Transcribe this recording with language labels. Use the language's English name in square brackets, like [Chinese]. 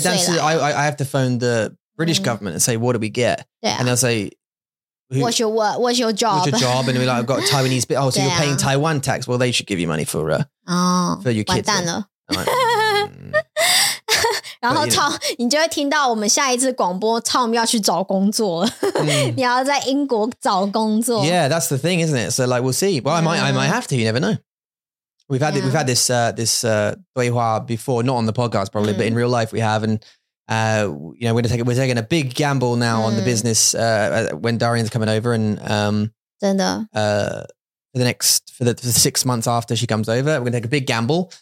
[English] yeah, [Chinese] 但是 [English] I have to phone the British government and say what do we get [Chinese] 对啊 [English] and they'll say what's your work what's your job what's your job and we're like I've got a Taiwanese bit. Oh so you're paying Taiwan tax well they should give you money for for your kids [Chinese] 完蛋了 然后 Tom 你就会听到我们下一次广播 Tom 要去找工作 你要在英国找工作 [English] yeah that's the thing isn't it so like we'll see well I might have to you never know We've had this this对话before, not on the podcast probably, but in real life we have. And you know, we're taking a big gamble now on the business when Darian's coming over and for the 6 months after she comes over, we're gonna take a big gamble.